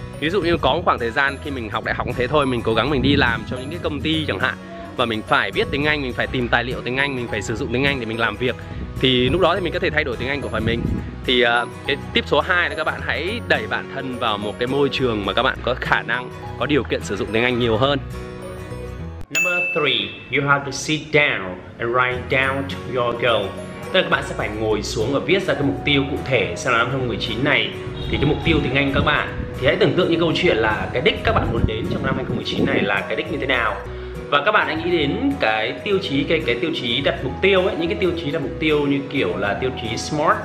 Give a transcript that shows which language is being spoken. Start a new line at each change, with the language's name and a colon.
Vietnamese: Ví dụ như có một khoảng thời gian khi mình học đại học cũng thế thôi, mình cố gắng mình đi làm cho những cái công ty chẳng hạn và mình phải biết tiếng Anh, mình phải tìm tài liệu tiếng Anh, mình phải sử dụng tiếng Anh để mình làm việc, thì lúc đó thì mình có thể thay đổi tiếng Anh của phần mình. Thì cái tip số 2 là các bạn hãy đẩy bản thân vào một cái môi trường mà các bạn có khả năng, có điều kiện sử dụng tiếng Anh nhiều hơn.
English: Number 3, you have to sit down and write down to your goal.
Vietnamese: Tức là các bạn sẽ phải ngồi xuống và viết ra cái mục tiêu cụ thể sau năm 2019 này. Thì cái mục tiêu tiếng Anh các bạn, thì hãy tưởng tượng như câu chuyện là cái đích các bạn muốn đến trong năm 2019 này là cái đích như thế nào. Và các bạn hãy nghĩ đến cái tiêu chí, cái tiêu chí đặt mục tiêu ấy, những cái tiêu chí là mục tiêu như kiểu là tiêu chí SMART.